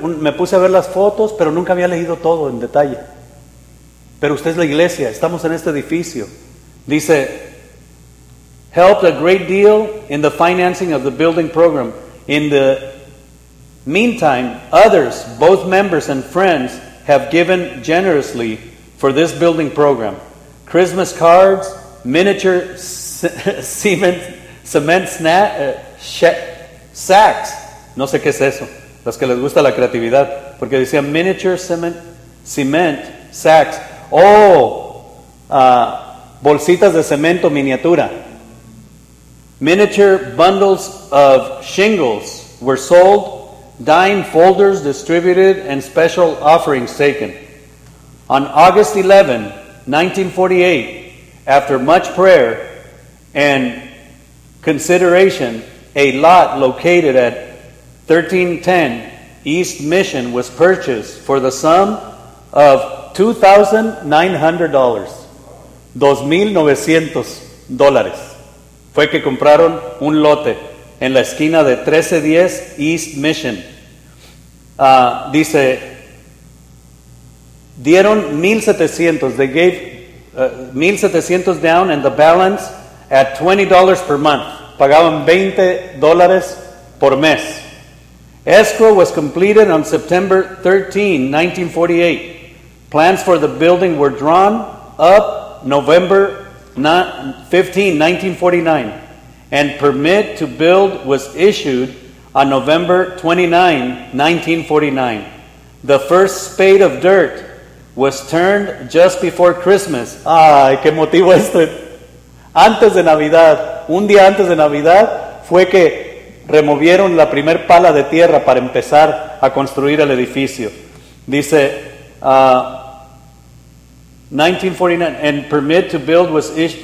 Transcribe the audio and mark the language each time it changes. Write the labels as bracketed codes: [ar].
[es] Me puse a ver las fotos, pero nunca había leído todo en detalle. Pero usted es la iglesia, estamos en este edificio. Dice, [en] helped a great deal in the financing of the building program. In the meantime, others, both members and friends, have given generously for this building program. Christmas cards, miniature cement sacks. [es] No sé qué es eso. Los que les gusta la creatividad. Porque decía [en] miniature cement sacks. [es] Oh, bolsitas de cemento miniatura. [en] Miniature bundles of shingles were sold. Dime folders distributed and special offerings taken. On August 11, 1948, after much prayer and consideration, a lot located at 1310 East Mission was purchased for the sum of $2,900. [es] $2,900 fue que compraron un lote en la esquina de 1310 East Mission. Dice, dieron 1,700, [en] they gave 1,700 down and the balance at $20 per month. [es] Pagaban $20 por mes. [en] Escrow was completed on September 13, 1948. Plans for the building were drawn up November 15, 1949. And permit to build was issued on November 29, 1949. The first spade of dirt was turned just before Christmas. [es] Ay, qué motivo este. Antes de Navidad, un día antes de Navidad, fue que removieron la primer pala de tierra para empezar a construir el edificio. Dice, [en] 1949, and permit to build was issued.